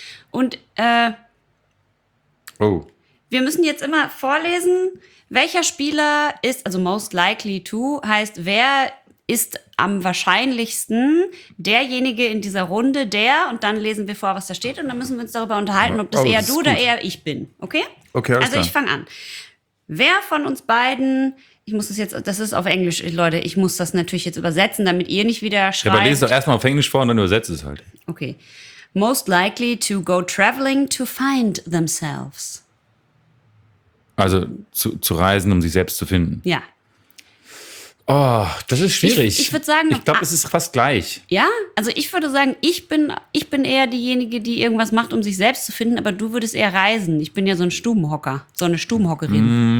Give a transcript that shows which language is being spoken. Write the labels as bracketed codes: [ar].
[de] Und, wir müssen jetzt immer vorlesen, welcher Spieler ist, also most likely to, heißt, wer ist am wahrscheinlichsten derjenige in dieser Runde, der, und dann lesen wir vor, was da steht, und dann müssen wir uns darüber unterhalten, ob das eher du oder eher ich bin. Okay? Okay, alles klar. Also ich fange an. Wer von uns beiden, ich muss das jetzt, das ist auf Englisch, Leute, ich muss das natürlich jetzt übersetzen, damit ihr nicht wieder schreibt. Ja, aber lese doch erstmal auf Englisch vor und dann übersetze es halt. Okay. [en] Most likely to go traveling to find themselves. [de] Also zu reisen, um sich selbst zu finden. Ja. Oh, das ist schwierig. Ich würde sagen, ich glaube, es ist fast gleich. Ja, also ich würde sagen, ich bin eher diejenige, die irgendwas macht, um sich selbst zu finden, aber du würdest eher reisen. Ich bin ja so ein Stubenhocker, so eine Stubenhockerin.